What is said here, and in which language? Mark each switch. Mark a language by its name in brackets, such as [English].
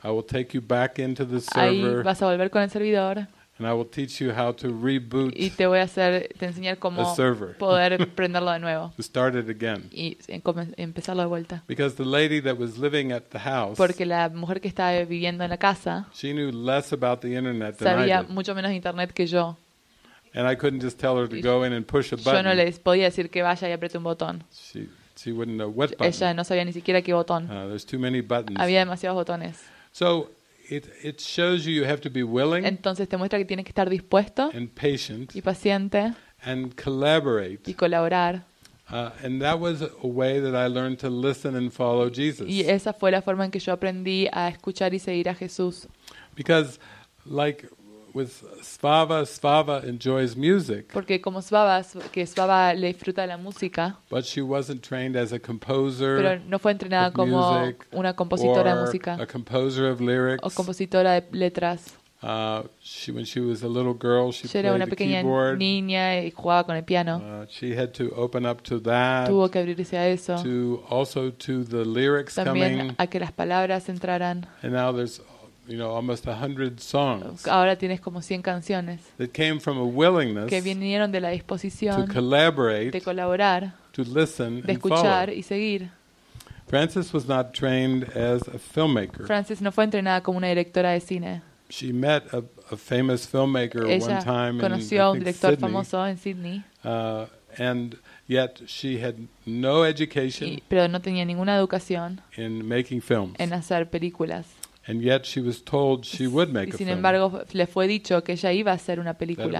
[English] I will take you back into the server. [Spanish] Ahí vas a volver con el servidor. [English] And I will teach you how to reboot. [Spanish] Y te voy a hacer, te enseñar cómo poder prenderlo de nuevo. [English] To start it again. [Spanish] Y empezarlo de vuelta. [English] Because the lady that was living at the house. [Spanish] Porque la mujer que estaba viviendo en la casa. [English] She knew less about the internet than [Spanish] sabía [English] I did. [Spanish] Sabía mucho menos internet que yo. [English] And I couldn't just tell her to go in and push a button. [Spanish] Yo no les podía decir que vaya y apriete un botón. [English] She wouldn't know what button. [Spanish] Ella no sabía ni siquiera qué botón. [English] There's too many buttons. [Spanish] Había demasiados botones. [English] So. It shows you have to be willing. [Spanish] Entonces te muestra que tienes que estar dispuesto [English] and patient [Spanish] y paciente [English] and collaborate. [Spanish] Y colaborar. [English] And that was a way that I learned to listen and follow Jesus. [Spanish] Y esa fue la forma en que yo aprendí a escuchar y seguir a Jesús. [English] Because, like with Svava, Svava enjoys music. [Spanish] Porque como Svava, que Svava le disfruta la música. [English] But she wasn't trained as a composer. [Spanish] Pero no fue entrenada como una compositora de música. [English] Or a composer of lyrics. [Spanish] O compositora de letras. [English] When she was a little girl, she played the keyboard. [Spanish] Era una pequeña niña y jugaba con el piano. [English] She had to open up to that. [Spanish] Tuvo que abrirse a eso. [English] To also to the lyrics [Spanish] también [English] coming. [Spanish] También a que las palabras entraran. [English] And now there's, you know, almost 100 songs. [Spanish] Ahora tienes como 100 canciones. [English] That came from a willingness. [Spanish] Que vinieron de la disposición. [English] To collaborate. [Spanish] De colaborar. [English] To listen and [Spanish] de escuchar [English] follow. [Spanish] Y seguir. [English] Frances was not trained as a filmmaker. [Spanish] Frances no fue entrenada como una directora de cine. [English] She met a famous filmmaker [Spanish] ella [English] one time in, [Spanish] conoció [English] a [Spanish] un director [English] Sydney, [Spanish] famoso en Sydney. [English] And yet she had no education. [Spanish] Pero no tenía ninguna educación. [English] In making films. [Spanish] En hacer películas. [English] And yet she was told she would make a film. [Spanish] Sin embargo, le fue dicho que ella iba a hacer una película.